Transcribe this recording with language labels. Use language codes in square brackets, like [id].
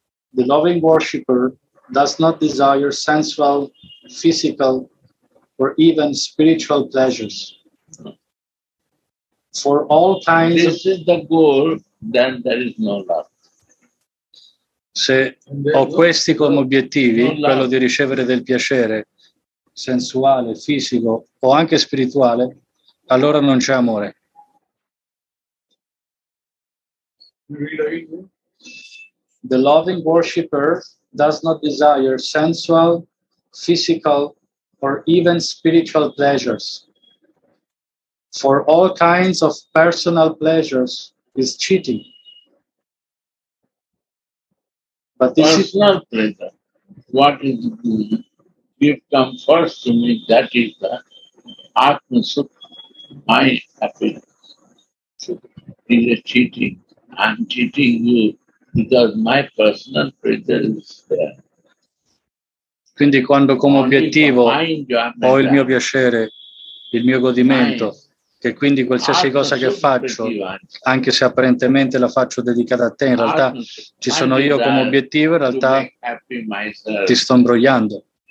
[en] The loving worshipper does not desire sensual, physical, or even spiritual pleasures. For all kinds this of is the goal, then there is no love. [it] Se ho questi come obiettivi, quello di ricevere del piacere sensuale, fisico o anche spirituale, allora non c'è amore. [en] The loving worshipper does not desire sensual, physical, or even spiritual pleasures. For all kinds of personal pleasures is cheating. But this personal is pleasure. What is give comfort to me, that is the Atma Sukha, my happiness. Is a cheating. I'm cheating you because my personal pleasure is there. [it] Quindi quando come obiettivo ho il mio piacere, il mio godimento, che quindi qualsiasi cosa che faccio, anche se apparentemente la faccio dedicata a te, in realtà ci sono io come obiettivo, in realtà ti sto imbrogliando.